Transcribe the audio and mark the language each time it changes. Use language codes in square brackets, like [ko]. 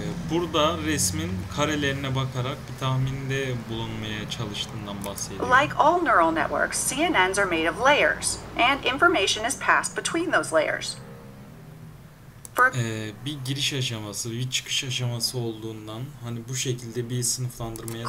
[tr] Burada resmin karelerine bakarak bir tahminde bulunmaya çalıştığından bahsediyor. [en] Like all neural networks, CNNs are made of layers, and information is passed between those layers. [tr] Bir giriş aşaması, bir çıkış aşaması olduğundan, hani bu şekilde bir sınıflandırmaya